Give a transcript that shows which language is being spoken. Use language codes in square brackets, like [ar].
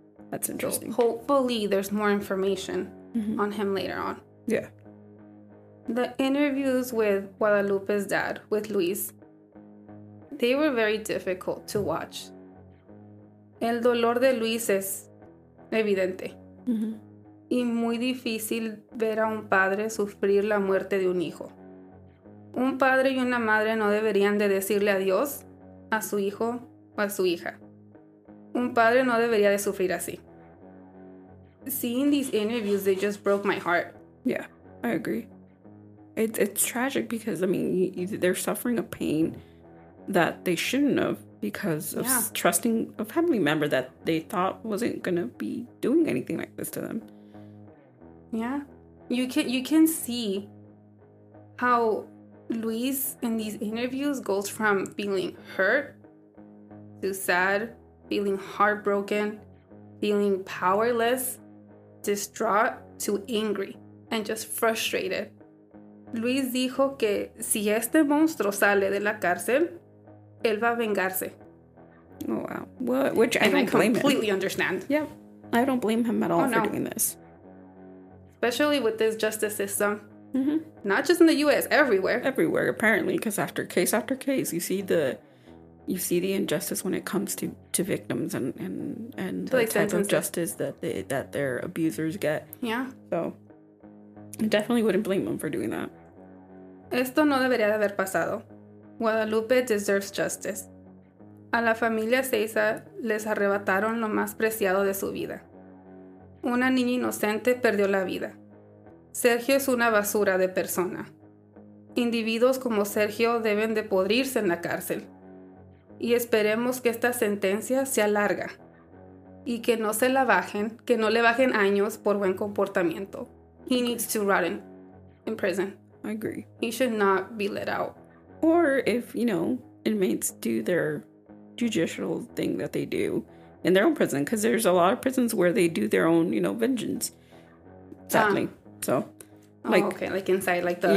[en] That's interesting. So hopefully there's more information on him later on. Yeah. The interviews with Guadalupe's dad, with Luis, they were very difficult to watch. [es] El dolor de Luis es evidente. Mm-hmm. Y muy difícil ver a un padre sufrir la muerte de un hijo. Un padre y una madre no deberían de decirle adiós a su hijo o a su hija. Un padre no debería de sufrir así. [en] Seeing these interviews, they just broke my heart. Yeah, I agree. It's tragic because, I mean, they're suffering a pain that they shouldn't have because of trusting a family member that they thought wasn't going to be doing anything like this to them. Yeah. You can see how Luis, in these interviews, goes from feeling hurt to sad, feeling heartbroken, feeling powerless, distraught, to angry and just frustrated. [es] Luis dijo que si este monstruo sale de la cárcel, él va a vengarse. [en] Oh, wow. Well, which I don't blame him. I completely understand. Yeah. I don't blame him at all for doing this. Especially with this justice system. Mm-hmm. Not just in the U.S., everywhere. Everywhere, apparently, because after case, you see the injustice when it comes to victims and the type of justice that their abusers get. Yeah. So, I definitely wouldn't blame him for doing that. [es] Esto no debería de haber pasado. Guadalupe [en] deserves justice. [es] A la familia Ezeiza les arrebataron lo más preciado de su vida. Una niña inocente perdió la vida. Sergio es una basura de persona. Individuos como Sergio deben de podrirse en la cárcel. Y esperemos que esta sentencia sea larga. Y que no se la bajen, que no le bajen años por buen comportamiento. [en] He needs to rot in prison. I agree. He should not be let out. Or if, you know, inmates do their judicial thing that they do in their own prison. Because there's a lot of prisons where they do their own, you know, vengeance. Sadly. So, like, oh, okay, like inside, like the